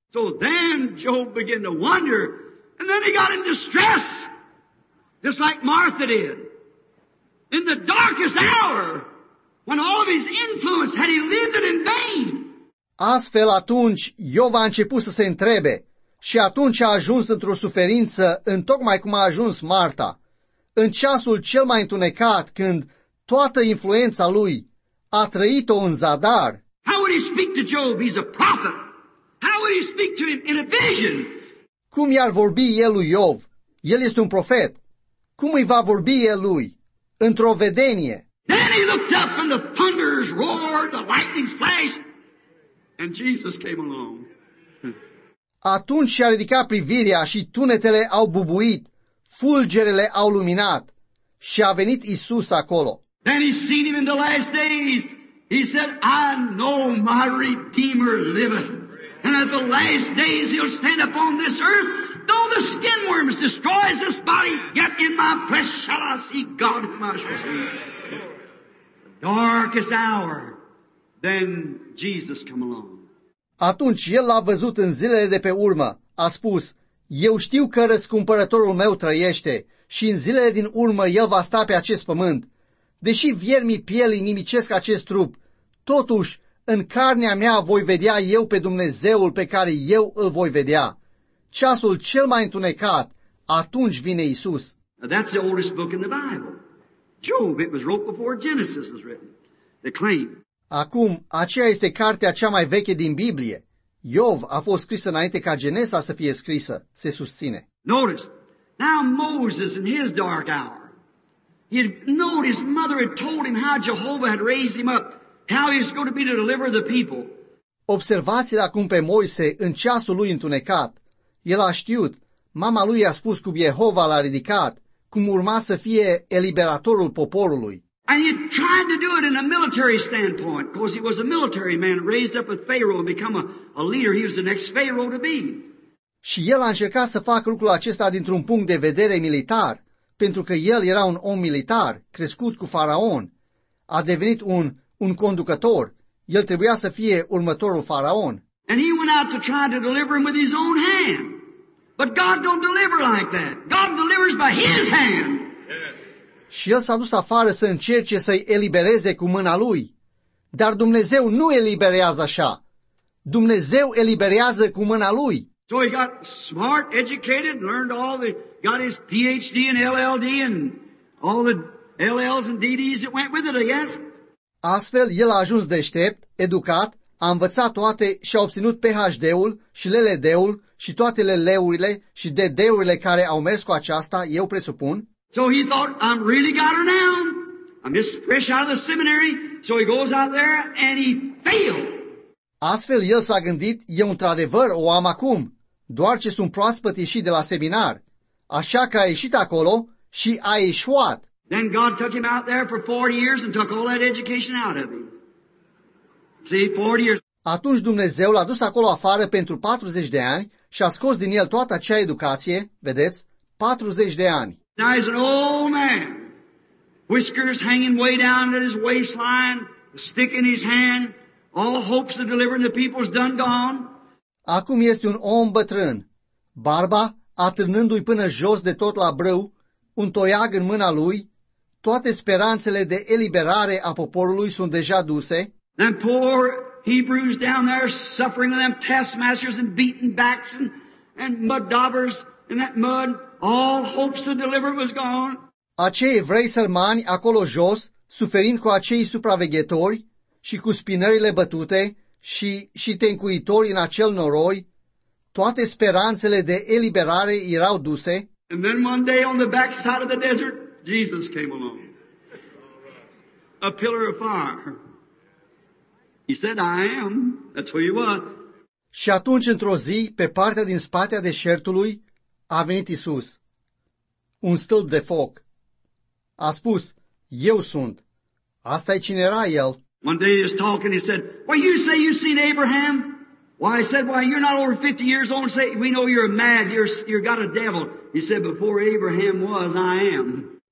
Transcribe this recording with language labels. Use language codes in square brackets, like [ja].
[en] So then Job began to wonder, and then he got in distress, just like Martha did, in the darkest hour. When all of his influence had he lived it in vain. [ro] Astfel atunci Iov a început să se întrebe și atunci a ajuns într-o suferință în tocmai cum a ajuns Marta, în ceasul cel mai întunecat când toată influența lui a trăit-o în zadar. [en] How would he speak to Job? He's a prophet. How would he speak to him in a vision? [ro] Cum i-ar vorbi el lui Iov? El este un profet. Cum îi va vorbi el lui? Într-o vedenie. [en] Then he looked up and the thunders roared, the lightning flashed, and Jesus came along. [ro] Atunci și-a ridicat privirea și tunetele au bubuit, fulgerele au luminat și a venit Isus acolo. [en] Then he seen him in the last days. He said, I know my Redeemer liveth. And at the last days he'll stand upon this earth. Though the skin worms destroys this body, yet in my flesh shall I see God whom I shall see. darkest hour, then Jesus come along. [ro] Atunci el l-a văzut în zilele de pe urmă, a spus, eu știu că răscumpărătorul meu trăiește și în zilele din urmă el va sta pe acest pământ. Deși viermii pielii nimicesc acest trup, totuși în carnea mea voi vedea eu pe Dumnezeul pe care eu îl voi vedea. Ceasul cel mai întunecat, atunci vine Iisus. [en] That's the oldest book in the Bible. Job, it was wrote before Genesis was written. The claim. [ro] Acum, aceea este cartea cea mai veche din Biblie. Iov a fost scris înainte ca Genesa să fie scrisă, se susține. [en] Notice, now Moses in his dark hour, he had known his mother had told him how Jehovah had raised him up, how he was going to be to deliver the people. [ro] Observați-l acum pe Moise în ceasul lui întunecat. El a știut, mama lui a spus cum Jehova l-a ridicat, cum urma să fie eliberatorul poporului. [en] And he tried to do it in a military standpoint, because he was a military man raised up with Pharaoh and become a leader. He was the next Pharaoh to be. [ro] Și el a încercat să facă lucrul acesta dintr-un punct de vedere militar, pentru că el era un om militar, crescut cu faraon. A devenit un conducător. El trebuia să fie următorul faraon. [en] And he went out to try to deliver him with his own hand. But God don't deliver like that. God delivers by his hand. [ro] Și el s-a dus afară să încerce să-i elibereze cu mâna lui. Dar Dumnezeu nu eliberează așa. Dumnezeu eliberează cu mâna lui. [en] So he got smart, educated, learned all the, got his PhD and LLD and all the LLs and DDs that went with it, I guess. [ro] Astfel, el a ajuns deștept, educat, a învățat toate și a obținut PhD-ul și LLD-ul și toate LL-urile și DD-urile care au mers cu aceasta, eu presupun. [en] So he thought, I'm really got her now. I'm just fresh out of the seminary. So he goes out there and he failed. [ro] Astfel el s-a gândit, eu într-adevăr o am acum, doar ce sunt proaspăt ieșit de la seminar. Așa că a ieșit acolo și a eșuat. [en] Then God took him out there for 40 years and took all that education out of him. See, 40 years. [ro] Atunci Dumnezeu l-a dus acolo afară pentru 40 de ani și a scos din el toată acea educație, vedeți, 40 de ani. [en] Now he's an old man, whiskers hanging way down at his waistline, a stick in his hand, all hopes of delivering the people's done gone. [ro] Acum este un om bătrân, barba atârnându-i până jos de tot la brâu, un toiag în mâna lui, toate speranțele de eliberare a poporului sunt deja duse. [en] And poor Hebrews down there suffering them taskmasters and beaten backs and mud daubers in that mud. All hopes of deliverance was gone. [ro] Acei evrei sărmani acolo jos, suferind cu acei supraveghetori și cu spinările bătute și tencuitori în acel noroi, toate speranțele de eliberare erau duse. [en] And then one day on the back side of the desert, Jesus came along. A pillar of fire. He said, I am. That's who you are. [ro] Și atunci, într-o zi, pe partea din spatea deșertului, a venit Iisus, un stâlp de foc. A spus, eu sunt. Asta e cine era el. [en] One day he was talking, he said, well, you say you've seen Abraham? Well, I said, well, you're not over 50 years old. Say, we know you're mad, you're got a devil. He said, before Abraham was, I am.